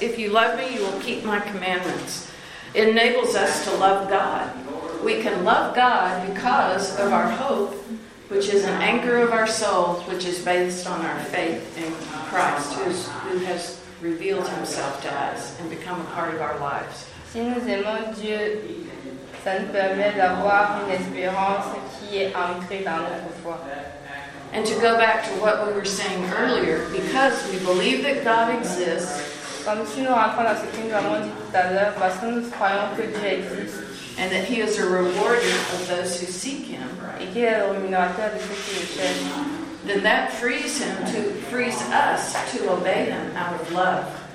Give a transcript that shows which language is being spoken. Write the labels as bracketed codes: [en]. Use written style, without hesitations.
[en] If you love me, you will keep my commandments. It enables us to love God. We can love God because of our hope, which is an anchor of our soul, which is based on our faith in Christ, who has revealed himself to us and become a part of our lives. [fr] Si nous aimons Dieu, ça nous permet d'avoir une espérance qui est ancrée dans notre foi. [en] And to go back to what we were saying earlier, because we believe that God exists, [fr] comme si nous rentrons à ce que nous avons dit tout à l'heure, parce que nous croyons que Dieu existe, [en] and that he is a rewarder of those who seek him, [fr] et qu'il est le rémunérateur de ceux qui le cherchent, [en] then that frees us to obey him out of love.